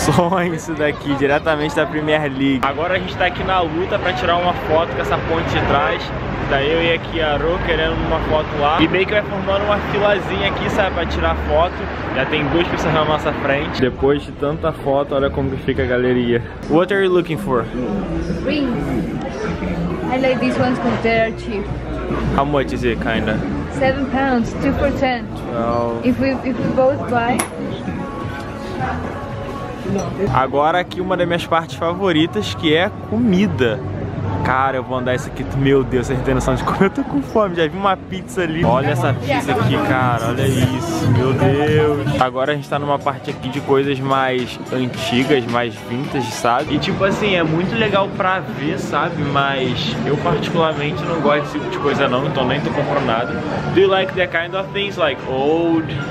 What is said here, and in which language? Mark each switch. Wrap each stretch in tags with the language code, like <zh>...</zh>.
<pt>sonho isso daqui, diretamente da Premier League. Agora a gente tá aqui na luta pra tirar uma foto com essa ponte de trás. Tá eu e aqui a Ro querendo uma foto lá. E meio que vai formando uma filazinha aqui, sabe, pra tirar foto. Já tem duas pessoas na nossa frente. Depois de tanta foto, olha como que fica a galeria.</pt> <en>What are you looking for? Rings. I like these ones because they are cheap. How much is it, kinda? 7 pounds, 2 for 10. Oh. If we both buy.</en> <pt>Agora aqui uma das minhas partes favoritas, que é a comida. Cara, eu vou andar isso aqui, meu Deus, vocês não tem noção de como eu tô com fome, já vi uma pizza ali. Olha essa pizza aqui, cara, olha isso, meu Deus. Agora a gente tá numa parte aqui de coisas mais antigas, mais vintage, sabe? E tipo assim, é muito legal pra ver, sabe? Mas eu particularmente não gosto desse tipo de coisa não, então nem tô comprando nada.</pt> <en>Do you like the kind of things like old?</en>